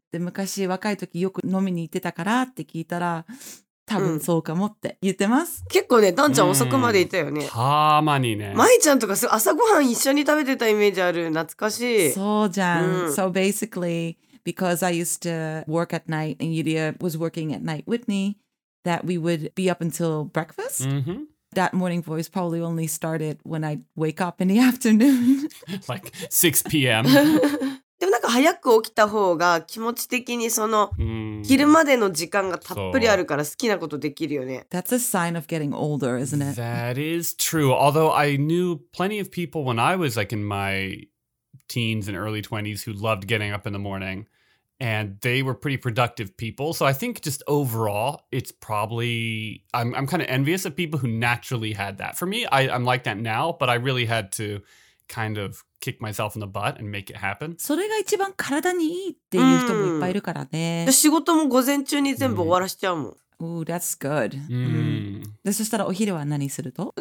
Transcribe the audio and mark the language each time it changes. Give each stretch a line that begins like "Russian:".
Japanese: で、昔若い時よく飲みに行ってたからって聞いたら、多分そうかもって言ってます。結構ね、Dan-chan遅くまでいたよね。たまにね。舞ちゃんとか朝ごはん一緒に食べてたイメージある。懐かしい。そうじゃん。
English: So basically... Because I used to work at night and Yuria was working at night with me, that we would be up until breakfast. Mm-hmm. That morning voice probably only started when I'd wake up in the afternoon. Like 6 p.m.
Japanese: でもなんか早く起きた方が気持ち的にその昼までの時間がたっぷりあるから好きなことできるよね。
English: That's a sign of getting older, isn't it? That is true. Although I knew plenty of people when I was like in my... teens and early 20s who loved getting up in the morning and they were pretty productive people. So I think just overall, it's probably, I'm kind of envious of people who naturally had that. For me, I'm like that now, but I really had to kind of kick myself in the butt and make it happen.
Japanese: それが一番体にいいっていう人もいっぱいいるからね。仕事も午前中に全部終わらしちゃうもん。
English: Ooh, that's good.
Japanese: で、そしたらお昼は何すると?